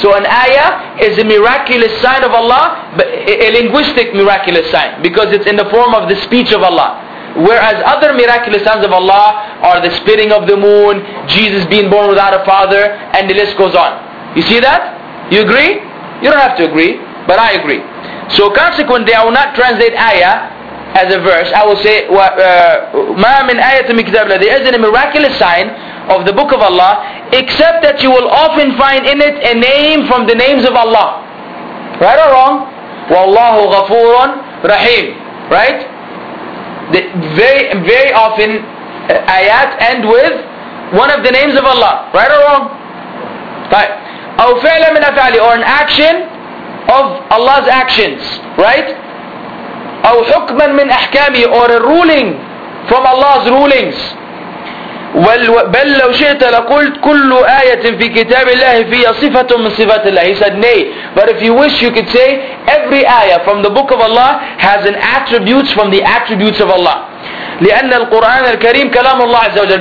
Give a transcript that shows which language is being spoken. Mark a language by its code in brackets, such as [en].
[en] So an ayah is a miraculous sign of Allah, but a linguistic miraculous sign, because it's in the form of the speech of Allah. Whereas other miraculous signs of Allah are the spitting of the moon, Jesus being born without a father, and the list goes on. You see that? You agree? You don't have to agree, but I agree. So consequently, I will not translate ayah as a verse. I will say, [ar] مَا مِنْ آيَةٍ مِنْ كِتَابِ اللَّهِ. [en] There isn't a miraculous sign of the book of Allah, except that you will often find in it a name from the names of Allah. Right or wrong? [ar] وَاللَّهُ غَفُورٌ رَحِيمٌ. [en] Right? The very, very often, ayat end with one of the names of Allah. Right or wrong? Right. [ar] أو فعل من أفعالي, [en] or an action of Allah's actions, right? [ar] أو حكما من أحكامي, [en] or a ruling from Allah's rulings. [ar] بل لو شئت لقلت كل آية في كتاب الله فيها صفة من صفات الله. [en] He said, nay, but if you wish, you could say every ayah from the book of Allah has an attributes from the attributes of Allah. [ar] لأن القرآن الكريم كلام الله عز وجل.